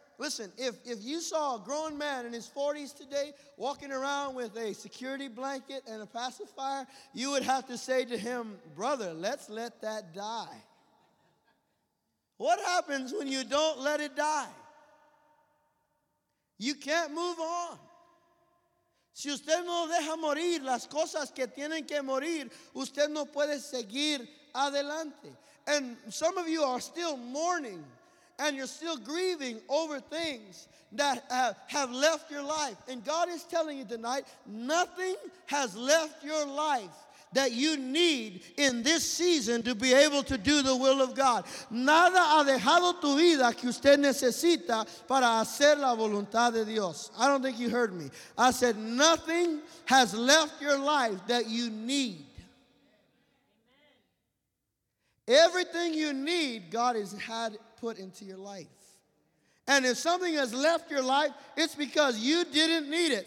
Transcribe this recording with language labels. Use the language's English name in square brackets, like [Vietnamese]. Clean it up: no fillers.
[English] Listen, if you saw a grown man in his 40s today walking around with a security blanket and a pacifier, you would have to say to him, brother, let's let that die. What happens when you don't let it die? You can't move on. [Spanish] Si usted no deja morir las cosas que tienen que morir, usted no puede seguir adelante. [English] And some of you are still mourning. And you're still grieving over things that have left your life. And God is telling you tonight, nothing has left your life that you need in this season to be able to do the will of God. [Spanish] Nada ha dejado tu vida que usted necesita para hacer la voluntad de Dios. [English] I don't think you heard me. I said, nothing has left your life that you need. Everything you need, God has had put into your life. And if something has left your life, it's because you didn't need it.